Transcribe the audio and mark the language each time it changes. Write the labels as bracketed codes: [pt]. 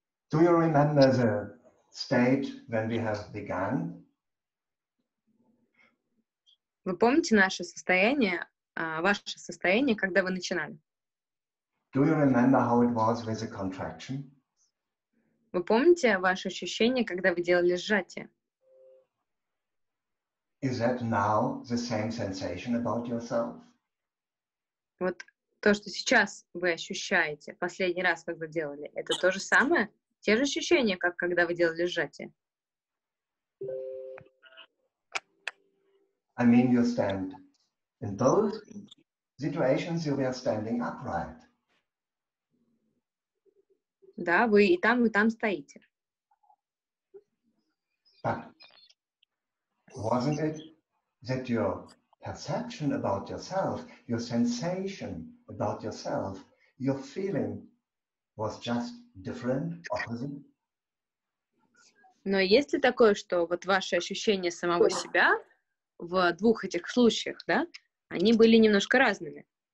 [en] Do you remember the state when we have begun? [ru] Вы помните наше состояние, ваше состояние, когда вы начинали? [en] Do you remember how it was with the contraction? [ru] Вы помните ваше ощущение, когда вы делали сжатие? [en] Is that now the same sensation about yourself? [ru] Вот то, что сейчас вы ощущаете, последний раз, когда делали, это то же самое? Те же ощущения, как когда вы делали сжатие? [en] I mean, you stand in both situations, you are standing upright. [ru] Да, вы и там стоите. [en] But wasn't it that your perception about yourself, your sensation about yourself, your feeling was just different, opposite? [ru] Но есть ли такое, что вот ваши ощущения самого себя в двух этих случаях, да, они были немножко разными?